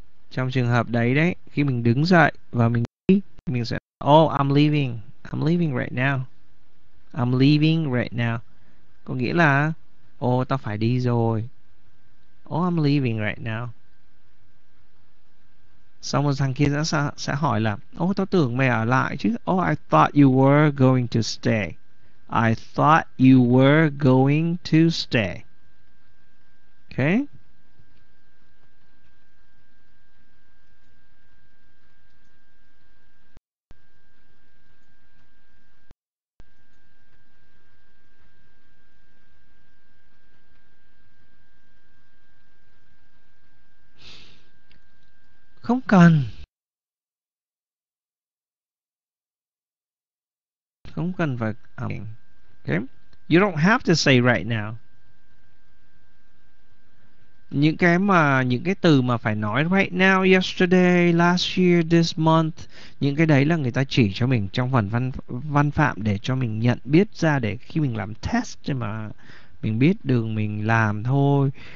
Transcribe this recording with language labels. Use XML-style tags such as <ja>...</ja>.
<vi>Trong trường hợp đấy đấy, khi mình đứng dậy và mình đi, mình sẽ</vi> <en>oh, I'm leaving right now. I'm leaving right now.</en> <vi>Có nghĩa là ồ, tao phải đi rồi.</vi> <en>Oh, I'm leaving right now.</en> <vi>Xong rồi thằng kia sẽ hỏi là ồ, tao tưởng mày ở lại chứ.</vi> <en>Oh, I thought you were going to stay. I thought you were going to stay. Okay.</en> <vi>Không cần, không cần phải okay.</vi> <en>You don't have to say right now.</en> <vi>Những cái từ mà phải nói</vi> <en>right now, yesterday, last year, this month,</en> <vi>những cái đấy là người ta chỉ cho mình trong phần văn văn phạm để cho mình nhận biết ra, để khi mình làm test mà mình biết đường mình làm thôi.</vi>